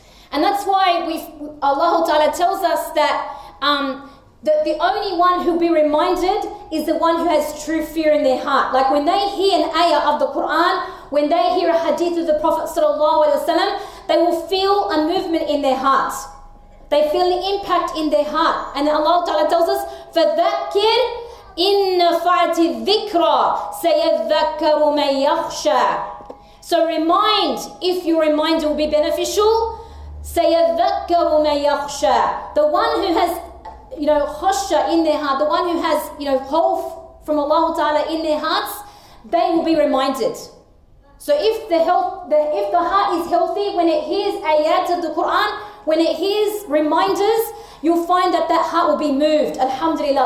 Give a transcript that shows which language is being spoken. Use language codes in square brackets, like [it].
[en] And that's why Allah Ta'ala tells us that, that the only one who'll be reminded is the one who has true fear in their heart. Like when they hear an ayah of the Quran, when they hear a hadith of the Prophet Sallallahu Alaihi Wasallam, they will feel a movement in their heart. They feel the impact in their heart. And Allah Ta'ala tells us, [ar] فَذَكِّرْ إِنَّ فَعْتِ الذِّكْرَ سَيَذَّكَّرُ مَنْ يَخْشَى. [en] So remind, if your reminder will be beneficial, [ar] سَيَذَّكَّرُ مَنْ يَخْشَى. [en] The one who has, you know, khashya in their heart, the one who has, you know, khawf from Allah Ta'ala in their hearts, they will be reminded. So if the heart is healthy, when it hears ayat of the Quran, when it hears reminders, you'll find that that heart will be moved. Alhamdulillah.